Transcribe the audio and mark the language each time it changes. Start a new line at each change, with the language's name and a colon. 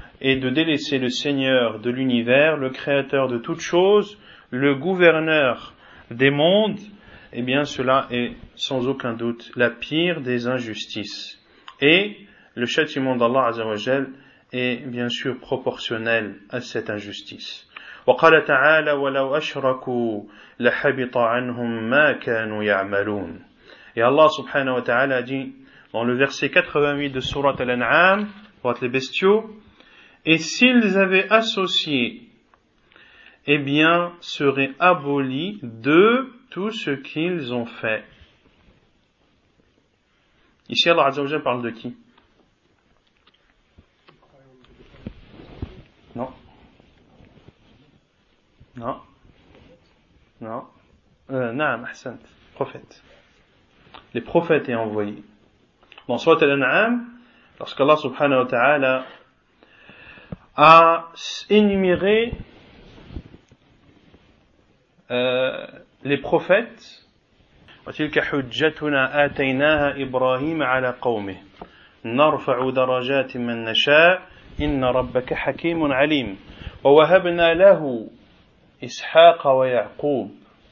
French: et de délaisser le Seigneur de l'univers, le Créateur de toutes choses, le Gouverneur des mondes, eh bien, cela est sans aucun doute la pire des injustices. Et le châtiment d'Allah Azza wa Jal est bien sûr proportionnel à cette injustice.
Arabic: وقال تعالى ولو أشركوا لحبط عنهم ما كانوا يعملون.
French: Et Allah subhanahu wa ta'ala dit dans le verset 88 de sourate Al-An'am, sourate les bestiaux: et s'ils avaient associé, eh bien serait aboli d'eux tout ce qu'ils ont fait. Ici Allah Azza wa Jalla parle de qui? Non. Non. Non.
Arabic: Na'am, ahsant.
French: Prophète. Les prophètes et envoyés. Dans sourate Al-An'am, lorsqu'Allah subhanahu wa ta'ala a énuméré les prophètes,
Arabic: وتلك حجتنا آتيناها إبراهيم على قومه نرفع درجات من نشاء إن ربك حكيم عليم ووهبنا له إسحاق ويعقوب.